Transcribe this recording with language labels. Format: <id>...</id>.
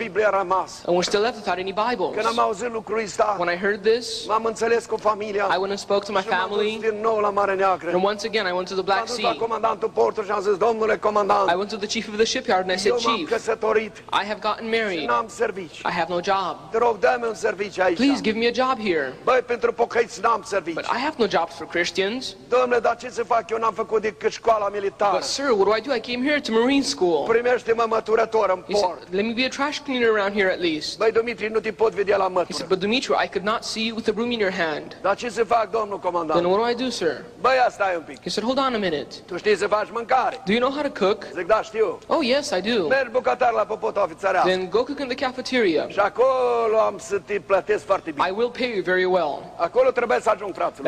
<en>And we're still left without any Bibles. When I heard this, I went and spoke to my family. And once again I went to the Black Sea. I went to the chief of the shipyard and I said, chief, I have gotten married. I have no job. Please give me a job here.</en> <ro>Băi, pentru pocăiți n-am servici.</ro> <en>But I have no jobs for Christians.</en> <ro>Doamne, dar ce să fac? Eu n-am făcut decât școala militară.</ro> <en>But sir, what do I do? I came here to Marine school.</en> <ro>Primește-mă măturător în port.</ro> <en>He said, let me be a trash cleaner around here at least.</en> <ro>Băi, Dumitru, nu te pot vedea la mătură.</ro> <en>He said, but Dumitru, I could not see you with a broom in your hand.</en> <ro>Dar ce să fac, domnul comandant?</ro> <en>Then what do I do, sir?</en> <ro>Băi, stai un pic.</ro> <en>He said, hold on a minute.</en> <ro>Tu știi să faci mâncare?</ro> <en>Do you know how to cook?</en> <ro>Zic, da, știu.</ro> <en>Oh, yes, I do.</en> <ro>Merg bucătar la popotul ofițărească.</ro> <en>Then go cook in the cafeteria.</en> <ro>Și acolo am să te plătesc foarte bine.</ro> <en>I will pay you very well.</en> <ro>Acolo trebuie să ajung, fraților.</ro>